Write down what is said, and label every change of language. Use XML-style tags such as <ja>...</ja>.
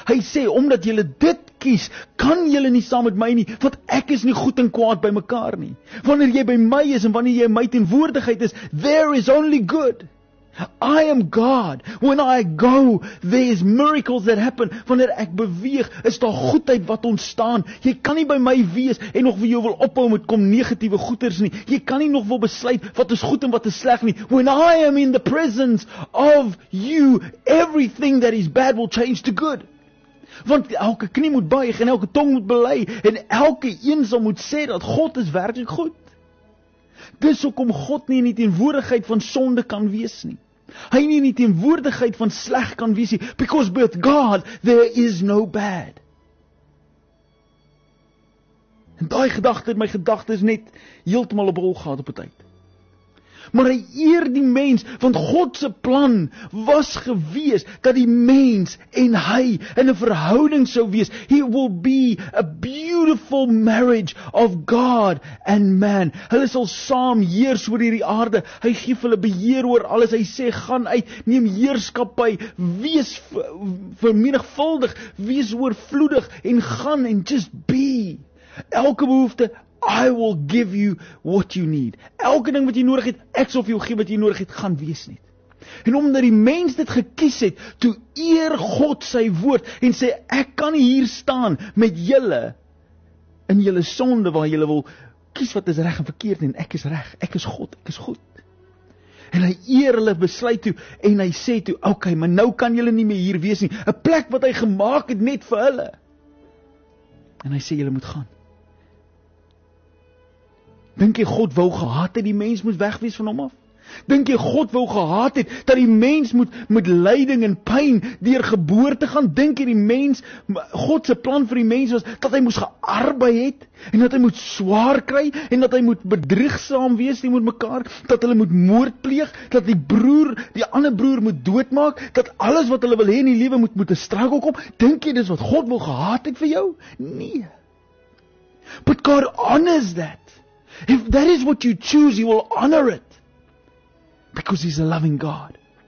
<af>Hy sê, omdat julle dit kies, kan julle nie saam met my nie, want ek is nie goed en kwaad by mekaar nie. Wanneer jy by my is en wanneer jy my teenwoordigheid is,</af> <en>there is only good. I am God. When I go, there is miracles that happen.</en> <af>Wanneer ek beweeg, is daar goedheid wat ontstaan. Jy kan nie by my wees en nog vir jou wil ophou met kom negatiewe goeders nie. Jy kan nie nog wil besluit wat is goed en wat is sleg nie.</af> <en>When I am in the presence of you, everything that is bad will change to good.</en> <af>Want elke knie moet buig en elke tong moet bely en elke een sal moet sê dat God is werklik goed. Dis hoekom God nie in die teenwoordigheid van sonde kan wees nie. Hy nie in die teenwoordigheid van sleg kan wees nie.</af> <en>Because with God, there is no bad.</en> <af>En die gedachte in my gedachte is net heeltemal op hol gehad op die tyd. Maar hy eer die mens, want God se plan was gewees dat die mens en hy in 'n verhouding sou wees.</af> <en>He will be a beautiful marriage of God and man.</en> <af>Hulle sal saam heers oor hierdie aarde. Hy gee hulle beheer oor alles. Hy sê, gaan uit, neem heerskappy, wees vermenigvuldig, wees oorvloedig en gaan en</af> <en>just be.</en> <af>Elke behoefte,</af> <en>I will give you what you need.</en> <af>Elke ding wat jy nodig het, ek sal vir jou gee wat jy nodig het, gaan wees net. En omdat die mens dit gekies het, toe eer God sy woord en sê, ek kan hier staan met julle in julle sonde waar julle wil kies wat is reg en verkeerd en ek is reg, ek is God, ek is goed. En hy eer hulle besluit toe en hy sê toe, okay, maar nou kan julle nie meer hier wees nie, 'n plek wat hy gemaak het net vir hulle. En hy sê, julle moet gaan. Dink jy God wou gehaat het, die mens moet wegwees van hom af? Dink jy God wou gehaat het, dat die mens moet met lyding en pyn deur geboorte gaan? Dink jy die mens, God se plan vir die mens was, dat hy moes gearbei het, en dat hy moet swaar kry, en dat hy moet bedriegsaam wees, die moet mekaar, dat hulle moet moord pleeg, dat die broer, die ander broer moet doodmaak, dat alles wat hulle wil hê in die lewe moet met 'n struggle kom? Dink jy dis wat God wou gehaat het vir jou? Nee.</af> <en>But God honors that. If that is what you choose, you will honor it. Because he's a loving God.</en>